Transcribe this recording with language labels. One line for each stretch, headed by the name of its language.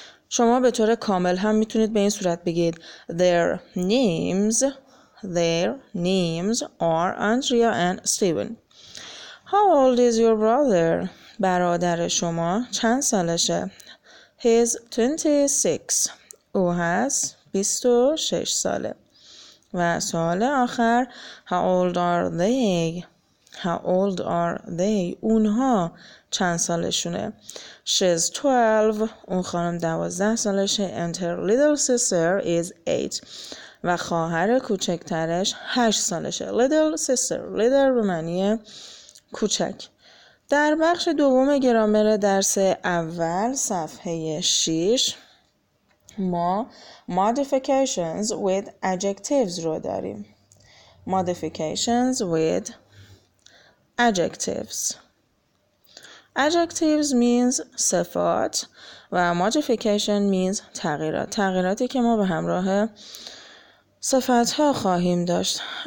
Persian: شما به طور کامل هم میتونید به این صورت بگید
English: their names، their names are Andrea and Steven. How old is your brother،
Persian: برادر شما چند سالشه؟
English: He's 26،
Persian: او هست 26 ساله. و سوال آخر
English: How old are they، How old are they،
Persian: اونها چند سالشونه؟
English: She's 12،
Persian: اون خانم 12 سالشه،
English: and her little sister is 8،
Persian: و خواهر کوچکترش 8 سالشه.
English: Little sister،
Persian: little به معنی کوچک. در بخش دوم گرامر درس اول صفحه 6 ما
English: modifications with adjectives
Persian: رو داریم.
English: Modifications with adjectives. Adjectives means
Persian: صفات
English: و modification means
Persian: تغییرات. تغییراتی که ما به همراه صفات ها خواهیم داشت.